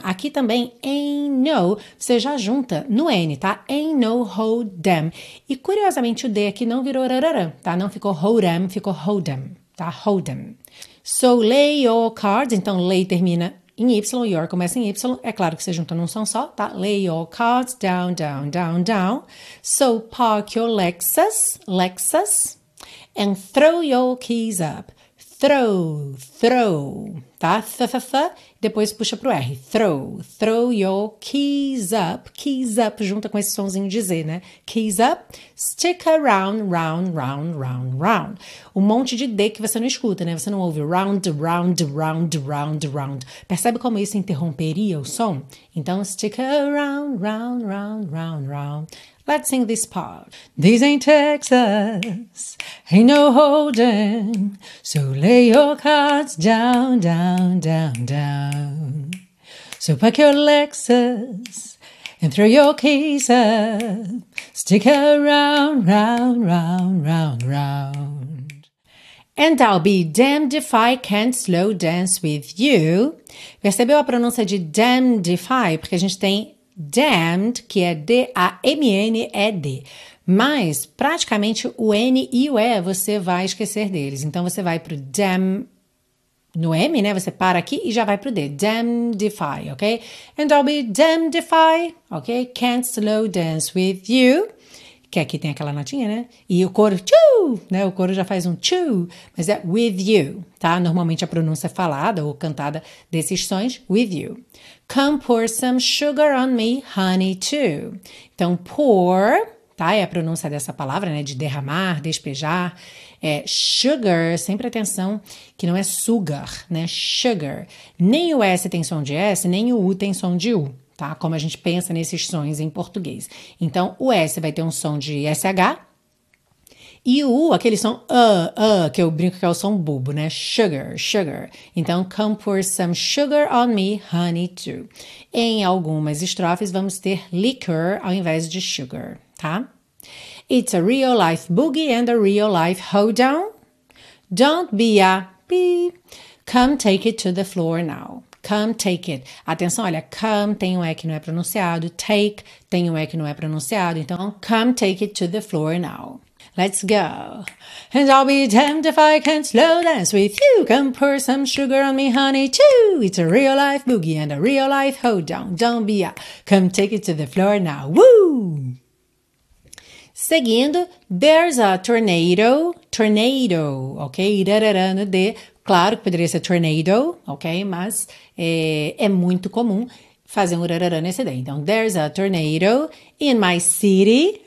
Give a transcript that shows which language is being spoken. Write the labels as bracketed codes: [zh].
[pt] Aqui também [en] ain't no, [pt] você já junta no N, tá? [en] Ain't no hold'em. [pt] E curiosamente o D aqui não virou rararã, tá? Não ficou hold'em, ficou hold'em, tá? Hold'em. [en] So lay your cards, [pt] então lay termina em Y, your começa em Y, é claro que você junta num som só, tá? [en] Lay your cards down, down, down, down. So park your Lexus, Lexus, and throw your keys up. Throw, throw, [pt] tá? Depois puxa pro R. [en] Throw, throw your keys up, [pt] junta com esse sonzinho de Z, né? [en] Keys up, stick around, round, round, round, round. [pt] Um monte de D que você não escuta, né? Você não ouve [en] round, round, round, round, round. [pt] Percebe como isso interromperia o som? Então, [en] stick around, round, round, round, round. Let's sing this part. This ain't Texas, ain't no holding, so lay your cards down, down, down, down. So pack your Lexus and throw your keys up. Stick around, round, round, round, round. And I'll be damned if I can't slow dance with you. [pt] Percebeu a pronúncia de [en] damned if I? [pt] Porque a gente tem damned, que é D-A-M-N-E-D. Mas, praticamente, o N e o E, você vai esquecer deles. Então, você vai pro dam no M, né? Você para aqui e já vai pro D. [en] Damned if I, ok? And I'll be damned if I, ok? Can't slow dance with you. [pt] Que aqui tem aquela notinha, né? E o coro, tchoo, né? O coro já faz um tchoo, mas é [en] with you, [pt] tá? Normalmente a pronúncia é falada ou cantada desses sons, [en] with you. Come pour some sugar on me, honey, too. [pt] Então, pour, tá? É a pronúncia dessa palavra, né? De derramar, despejar. É sugar, sempre atenção que não é sugar, né? Sugar. Nem o S tem som de S, nem o U tem som de U, tá? Como a gente pensa nesses sons em português. Então, o S vai ter um som de SH. E o U, aquele som que eu brinco que é o som bobo, né? Sugar, sugar. Então, [en] come pour some sugar on me, honey, too. [pt] Em algumas estrofes, vamos ter liquor ao invés de sugar, tá? [en] It's a real life boogie and a real life hoedown. Don't be a pee. Come take it to the floor now. Come take it. [pt] Atenção, olha, come tem um E que não é pronunciado. Take tem um E que não é pronunciado. Então, [en] come take it to the floor now. Let's go. And I'll be damned if I can't slow dance with you. Come pour some sugar on me, honey, too. It's a real life boogie and a real life hoedown. Don't be a... Come take it to the floor now. Woo! [pt] Seguindo, [en] there's a tornado. [pt] Tornado, ok? Irarara no D. Claro que poderia ser tornado, ok? Mas é muito comum fazer um rarará nesse D. Então, [en] there's a tornado in my city.